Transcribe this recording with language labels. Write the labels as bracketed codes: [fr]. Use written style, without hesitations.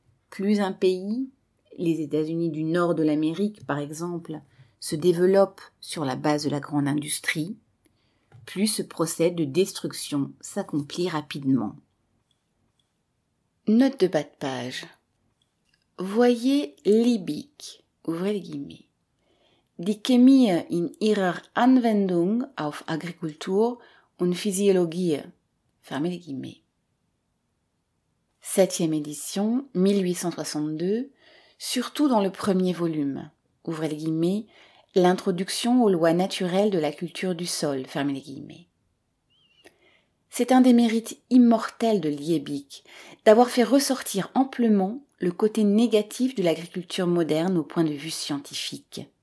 [fr] Plus un pays, les États-Unis du Nord de l'Amérique par exemple, se développe sur la base de la grande industrie, plus ce procès de destruction s'accomplit rapidement. Note de bas de page. Voyez Liebig, ouvrez les guillemets. [de] Die Chemie in ihrer Anwendung auf Agrikultur und Physiologie, [fr] fermez les guillemets. 7e édition, 1862, surtout dans le premier volume, ouvrez les guillemets, l'introduction aux lois naturelles de la culture du sol, fermez les guillemets. C'est un des mérites immortels de Liebig, d'avoir fait ressortir amplement le côté négatif de l'agriculture moderne au point de vue scientifique.